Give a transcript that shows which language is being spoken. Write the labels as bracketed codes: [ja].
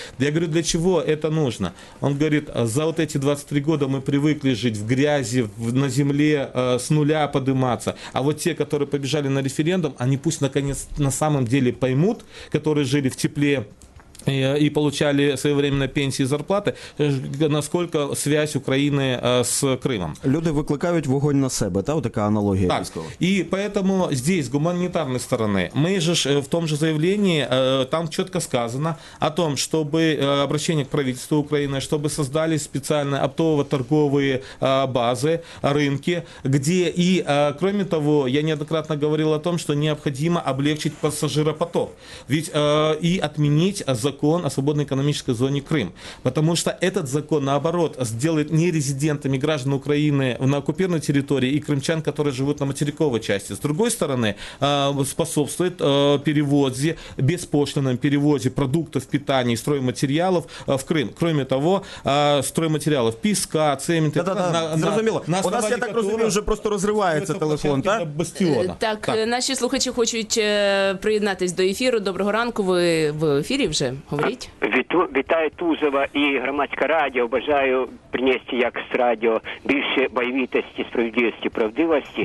[ru] Я говорю: «Для чего это нужно?» Он говорит: «За вот эти 23 года мы привыкли жить в грязи, на земле, с нуля подниматься. А вот те, которые побежали на референдум, они пусть наконец на самом деле поймут, которые жили в тепле и получали своевременно пенсии и зарплаты, насколько связь Украины с Крымом». [uk] Люди викликають вогонь на себе, та така аналогія. Так. І [ru] поэтому здесь, [uk] з гуманітарної сторони, ми ж в тому ж заявленні, там чітко сказано о том, щоб обращення к правительству України, щоб создали спеціальні оптово-торгові бази, ринки, де і, крім того, я неоднократно говорив о том, що необхідно облегчити пасажиропоток. [ru] Ведь [uk] і відмінити [ru] закон о свободной экономической зоне Крым. Потому что этот закон, наоборот, сделает не резидентами граждан Украины на оккупированной территории и крымчан, которые живут на материковой части. С другой стороны, способствует перевозе, беспошлинном перевозе продуктов питания и стройматериалов в Крым. Кроме того, стройматериалов песка, цемента... [uk] Зрозуміло. У нас, я так розумію, вже просто розривається телефон, так? Так, наші слухачі хочуть приєднатися до ефіру. Доброго ранку, ви в ефірі вже? Вітаю Тузова і громадське радіо. Бажаю принести як з радіо більше бойовитості, справедливості, правдивості.